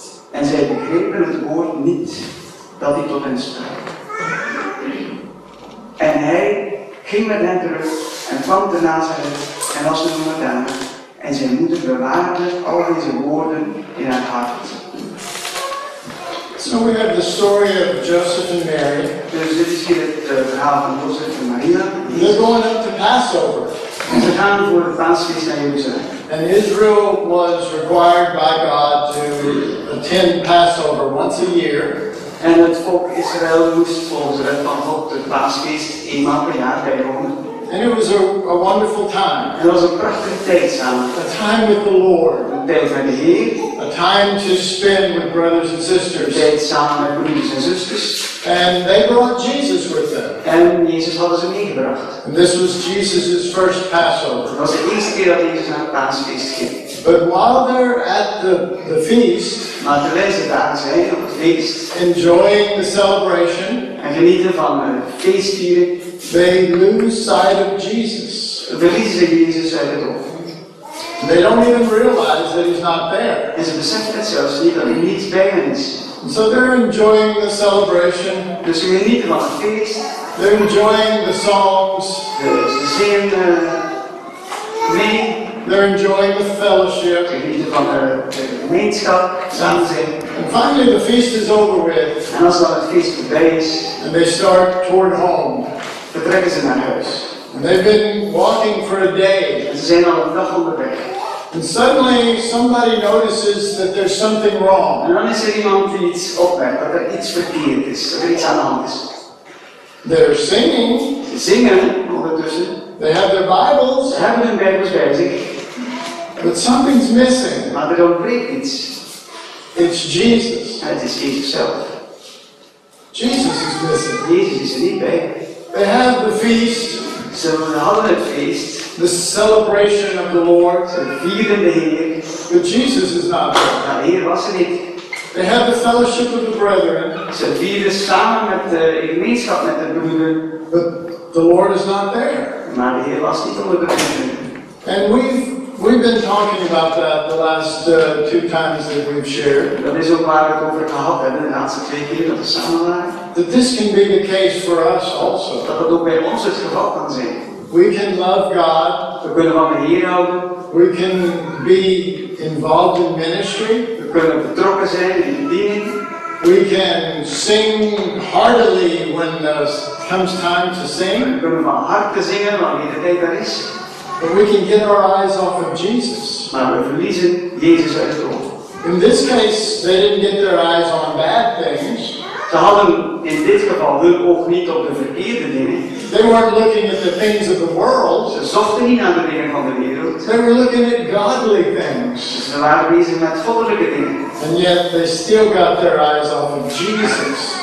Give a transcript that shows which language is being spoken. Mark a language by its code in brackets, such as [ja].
[nl] En zij begrepen het woord niet dat hij tot hen sprak. En hij ging met hen terug en kwam te Nazareth en was de Jordaan. En zijn moeder bewaarde al deze woorden in haar hart. [en] So we have the story of Joseph and Mary. [nl] Dus dit is hier het verhaal van Joseph en Maria. [en] They're going up to Passover. [nl] Ze gaan voor de Paasfeest naar Jeruzalem. [en] And Israel was required by God to attend Passover once a year. [nl] En het volk Israël moest volgens de wet van God de Paasfeest eenmaal per jaar bijwonen. [en] And it was a wonderful time. [nl] En het was een prachtige tijd samen. [en] A time with the Lord. [nl] Een tijd met de Heer. [en] A time to spend with brothers and sisters. [nl] Een tijd samen met broeders en zusters. [en] And they brought Jesus with them. [nl] En Jezus hadden ze meegebracht. [en] And this was Jesus' first Passover. [nl] Het was de eerste keer dat Jezus naar het Paasfeest ging. [en] But while they're at the feast, [nl] maar terwijl ze daar zijn op het feest, [en] enjoying the celebration, [nl] en genieten van het feestvieren, [en] they lose sight of Jesus. [nl] Verliezen Jezus uit het oog. [en] They don't even realize that he's not there. [nl] En ze beseffen het zelfs niet dat hij niet bij hen is. [en] So they're enjoying the celebration. [nl] Dus ze genieten van het feest. [en] They're enjoying the songs. [nl] Ze zingen mee. [en] They're enjoying the fellowship. [nl] Ze genieten van de gemeenschap. Samen zijn. [en] And finally the feast is over with. [nl] En als dan het feest voorbij is. [en] And they start toward home. [nl] Vertrekken ze naar huis. [en] And they've been walking for a day. [nl] En ze zijn al een dag onderweg. [en] And suddenly somebody notices that there's something wrong. [nl] En dan is er iemand die iets opmerkt, dat er iets verkeerd is, dat er iets aan de hand is. [en] They're singing. [nl] Ze zingen ondertussen. [en] They have their Bibles. [nl] Ze hebben hun Bijbels bij zich. [en] But something's missing. [nl] Maar er ontbreekt iets. [en] It's Jesus. [nl] Het is Jezus zelf. [en] Jesus is missing. [nl] Jezus is er niet bij. [en] They had the feast. [nl] Ze hadden het feest. [en] The celebration of the Lord. [nl] Ze vieren de Heer. [en] But Jesus is not there. [nl] Nou, de Heer was er niet. [en] They had the fellowship of the brethren. [nl] Ze vieren samen met de gemeenschap met de broeder. [en] But the Lord is not there. [nl] Maar de Heer was niet onder de broeder. [en] And we've been talking about that the last two times that we've shared. [nl] Dat is ook waar we het over gehad hebben de laatste twee keer dat we samen waren. [en] That this can be the case for us also. [nl] Dat dat ook bij ons het geval kan zijn. [en] We can love God. [nl] We kunnen van de Heer houden. [en] We can be involved in ministry. [nl] We kunnen betrokken zijn in dienst. [en] We can sing heartily when comes time to sing. [nl] We kunnen van harte zingen wanneer de tijd er is. [en] But we can get our eyes off of Jesus. [nl] Maar we verliezen Jezus uit het oog. [en] In this case, they didn't get their eyes on bad things. [nl] Ze hadden in dit geval hun oog niet op de verkeerde dingen. [en] They weren't looking at the things of the world. [nl] Ze zochten niet naar de dingen van de wereld. [en] They were looking at godly things. [nl] Ze waren bezig met goddelijke dingen. [en] And yet they still got their eyes off of Jesus.